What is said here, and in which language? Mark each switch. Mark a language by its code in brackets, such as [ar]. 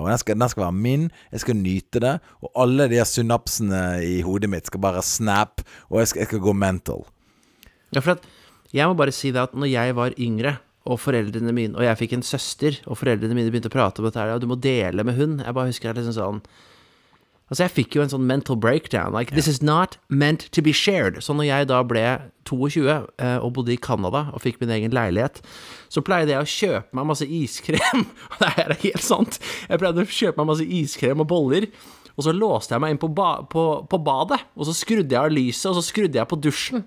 [sv] Och den ska vara min. Jag ska njuta det. Och alla de synapserna i hodet mitt ska bara snap. Och jag ska gå mental. Ja, för att jag måste bara säga att när jag var yngre och föräldrarna mina, och jag fick en syster och föräldrarna mina började prata om det här. Och du måste dela med hon. Jag bara huskar det liksom sån. Alltså jag fick ju en sån mental breakdown. [en] Like, this is not meant to be shared. [sv] Så när jag då blev 22 och bodde i Kanada och fick min egen lägenhet, så plejade jag att köpa mig massa iskrem. Det här är helt sant. Jag plejade att köpa mig massa iskrem och bollar. Och så låste jag mig in på badet. Och så skrudde jag av lyset och så skrudde jag på duschen.